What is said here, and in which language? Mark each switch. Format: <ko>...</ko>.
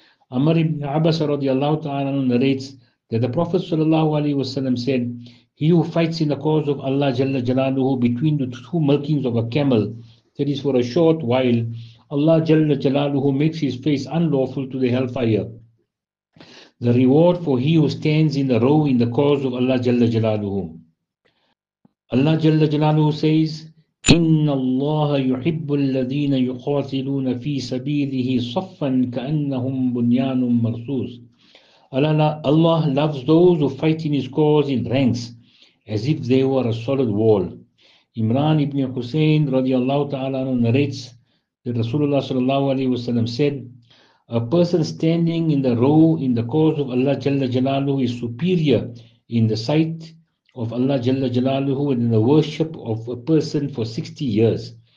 <en>Amr ibn Abbas radiallahu ta'ala narrates that the Prophet sallallahu alayhi wa sallam said, he who fights in the cause of Allah Jalla Jalaluhu between the two milkings of a camel, that is for a short while, Allah Jalla Jalaluhu makes his face unlawful to the hellfire. the reward for he who stands in the row in the cause of Allah Jalla Jalaluhu. Allah Jalla Jalaluhu says,</en> <ar>إِنَّ اللَّهَ يُحِبُّ الَّذِينَ يُقَاتِلُونَ فِي سَبِيلِهِ صَفًّا كَأَنَّهُمْ بُنْيَانٌ مَرْصُوصٌ.</ar> <en>Allah loves those who fight in his cause in ranks, as if they were a solid wall. Imran ibn Hussein radiallahu ta'ala narrates that Rasulullah sallallahu alayhi wa sallam said, a person standing in the row in the cause of Allah Jalla Jalaluhu is superior in the sight of Allah Jalla Jalaluhu and in the worship of a person for 60 years.</en>